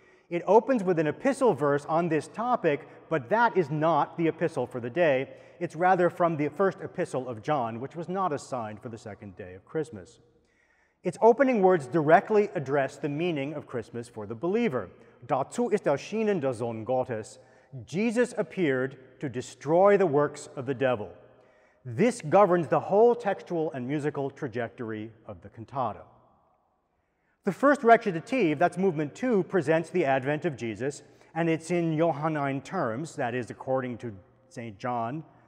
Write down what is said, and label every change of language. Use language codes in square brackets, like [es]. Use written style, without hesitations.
[en] It opens with an epistle verse on this topic, but that is not the epistle for the day. It's rather from the first epistle of John, which was not assigned for the second day of Christmas. Its opening words directly address the meaning of Christmas for the believer. [de] Darzu ist erschienen der Sohn Gottes. [en] Jesus appeared to destroy the works of the devil. This governs the whole textual and musical trajectory of the cantata. The first recitative, that's movement 2, presents the advent of Jesus, and it's in Johannine terms, that is, according to St. John.